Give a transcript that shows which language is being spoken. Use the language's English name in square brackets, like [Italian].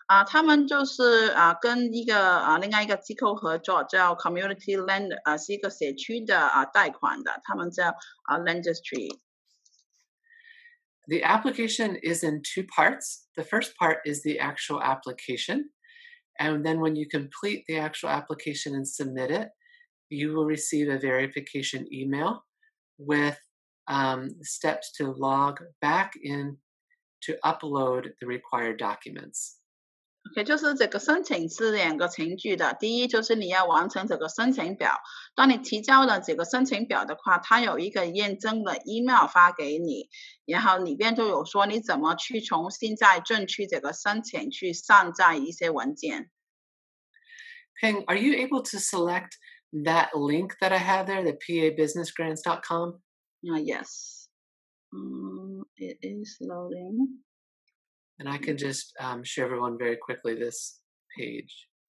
[Chinese] 他们就是跟一个另外一个机构合作，叫 Community Lend， 是一个社区的贷款的，他们叫Lendistry。 [English] The application is in two parts. The first part is the actual application. And then when you complete the actual application and submit it, you will receive a verification email with steps to log back in to upload the required documents. [Chinese] Okay, 就是这个申请是两个程序的。第一就是你要完成这个申请表。当你提交了这个申请表的话，它有一个验证的 email 发给你，然后里边就有说你怎么去重新再进去这个申请去上载一些文件。 [English] Ping, are you able to select that link that I have there, the pabusinessgrants.com? Yes. It is loading. And I can just show everyone very quickly this page.